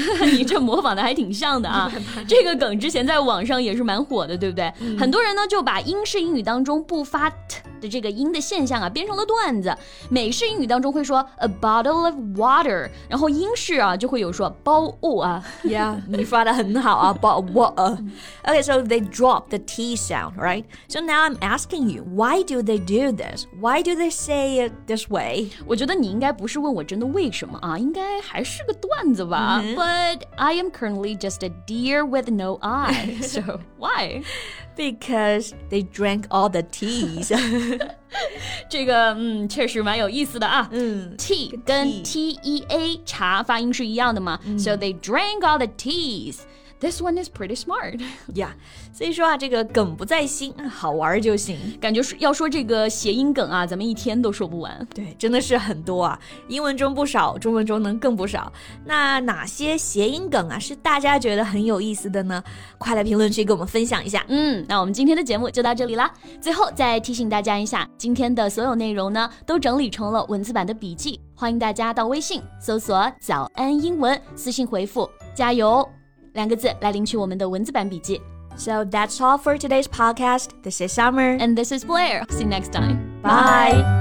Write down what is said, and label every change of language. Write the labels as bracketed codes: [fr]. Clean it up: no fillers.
[zh] 你这模仿的还挺像的啊这个梗之前在网上也是蛮火的对不对很多人呢就把英式英语当中不发 t 的这个音的现象啊编成了段子美式英语当中会说 [en] a bottle of water [zh] 然后英式啊就会有说 bow o 啊 [en] yeah [zh] 你发的很好啊 [en] bow water okay so they drop the t sound right so now I'm asking you why do they do this why do they say it this way [zh] 我觉得你应该不是问我真的为什么啊应该还是个段子吧、 [en] But I am currently just a deer with no eye. So why? Because they drank all the teas. [zh] 这个、确实蛮有意思的啊。 Tea 跟 T-E-A 茶发音是一样的嘛、 [en] So they drank all the teas. This one is pretty smart. Yeah. [zh] 所以说啊这个梗不在心好玩就行。感觉要说这个谐音梗啊咱们一天都说不完。对真的是很多啊。英文中不少中文中能更不少。那哪些谐音梗啊是大家觉得很有意思的呢快来评论区跟我们分享一下。那我们今天的节目就到这里啦。最后再提醒大家一下今天的所有内容呢都整理成了文字版的笔记。欢迎大家到微信搜索早安英文私信回复加油。两个字来领取我们的文字版笔记。 [en] So that's all for today's podcast. This is Summer. And this is Blair. See you next time. Bye.